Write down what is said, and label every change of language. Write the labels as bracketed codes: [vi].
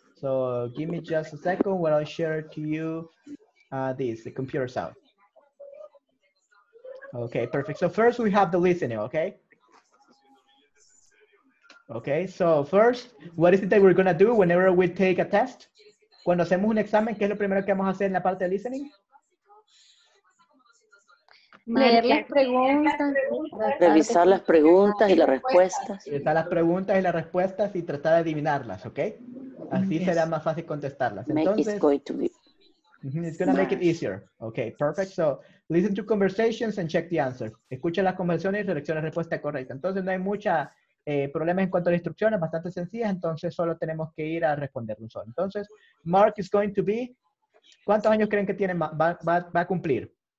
[en] So give me just a second where I'll share to you the computer sound. Okay, perfect. So first we have the listening, okay? Okay, so first, what is it that we're gonna do whenever we take a test? [es] Cuando hacemos un examen, ¿qué es lo primero que vamos a hacer en la parte de listening? Leer las preguntas. Revisar las preguntas y las respuestas. Revisar las preguntas y las respuestas y tratar de adivinarlas, ¿ok? [en] Así yes. [es] Será más fácil contestarlas. [en] Entonces, it's going to make it easier. Ok, perfect. So, listen to conversations and check the answer. [es] Escucha las conversaciones y selecciona la respuesta correcta. Entonces, no hay mucha problemas en cuanto a las instrucciones, bastante sencillas. Entonces, solo tenemos que ir a responder un solo. Entonces, [en] Mark is going to be, [es] ¿cuántos años creen que tiene, va a cumplir?